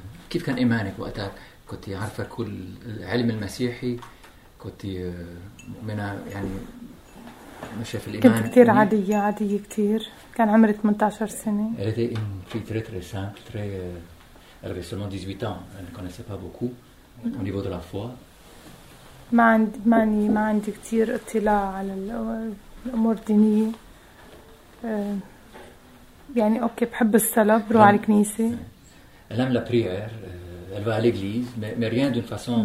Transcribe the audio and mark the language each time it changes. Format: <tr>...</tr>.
<ar>كيف كان إيمانك وقتها كنت عارفة كل العلم المسيحي كنتي منا يعني مش في الإيمان كنت كتير عادية عادية كتير كان عمري 18 سنة.</ar> <fr>Elle était une fille très très simple très elle avait seulement 18 ans elle ne connaissait pas beaucoup au niveau de la foi.</fr> <ar>ما عندي كتير اطلاع على الأمور الدينية يعني أوكي بحب الصلاة بروح على الكنيسة.</ar> <fr>Elle aime la prière. Elle va à l'église, mais rien d'une façon</fr>